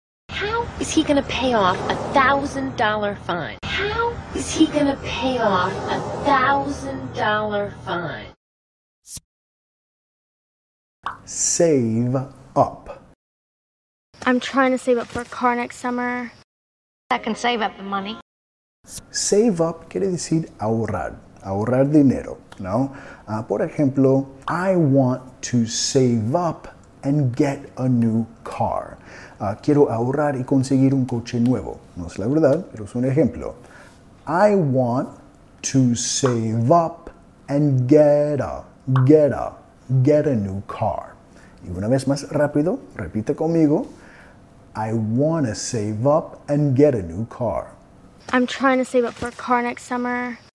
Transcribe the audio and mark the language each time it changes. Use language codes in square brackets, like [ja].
[en] How is he gonna pay off $1,000 fine? How is he gonna pay off $1,000 fine? Save up. I'm trying to save up for a car next summer. I can save up the money. [es] Save up quiere decir ahorrar, ahorrar dinero, ¿no? Por ejemplo, [en] I want to save up and get a new car. [es] Quiero ahorrar y conseguir un coche nuevo. No es la verdad, pero es un ejemplo. [en] I want to save up and get a new car. [es] Y una vez más rápido, repite conmigo. [en] I want to save up and get a new car. I'm trying to save up for a car next summer.